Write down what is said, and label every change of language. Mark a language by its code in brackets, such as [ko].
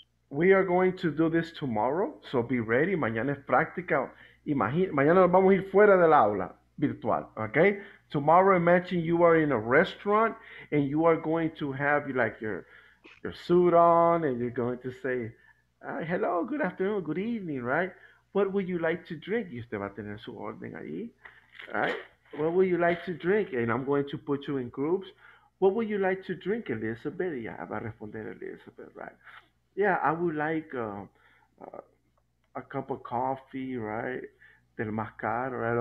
[en] We are going to do this tomorrow, so be ready. [es] Mañana es práctica. Imagine, mañana nos vamos a ir fuera del aula virtual, okay? [en] Tomorrow, imagine you are in a restaurant and you are going to have like your suit on and you're going to say, hello, good afternoon, good evening, right? What would you like to drink? [es] Y usted va a tener su orden ahí, right? [en] What would you like to drink? And I'm going to put you in groups. What would you like to drink, Elizabeth? Yeah, I'll respond, Elizabeth, right? Yeah, I would like a cup of coffee, right? [es] Del más caro, [en] right?